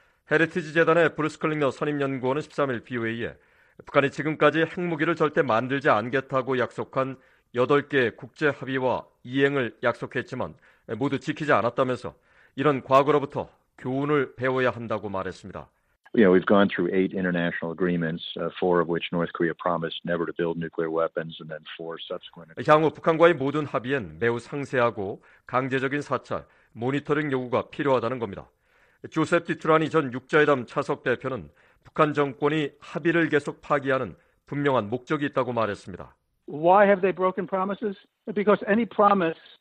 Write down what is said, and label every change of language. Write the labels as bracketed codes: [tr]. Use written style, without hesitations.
[ko] 헤리티지 재단의 브루스 클링너 선임연구원은 13일 BOA에 북한이 지금까지 핵무기를 절대 만들지 않겠다고 약속한 8개의 국제 합의와 이행을 약속했지만 모두 지키지 않았다면서 이런 과거로부터 교훈을 배워야 한다고 말했습니다. [en] Yeah, we've gone through 8 international agreements, 4 of which North Korea promised never to build nuclear weapons and then 4 subsequent. [ko] 향후 북한과의 모든 합의엔 매우 상세하고 강제적인 사찰, 모니터링 요구가 필요하다는 겁니다. 조셉 디트라니 전 6자회담 차석 대표는 북한 정권이 합의를 계속 파기하는 분명한 목적이 있다고 말했습니다. [en] Why have they broken promises? Because any promise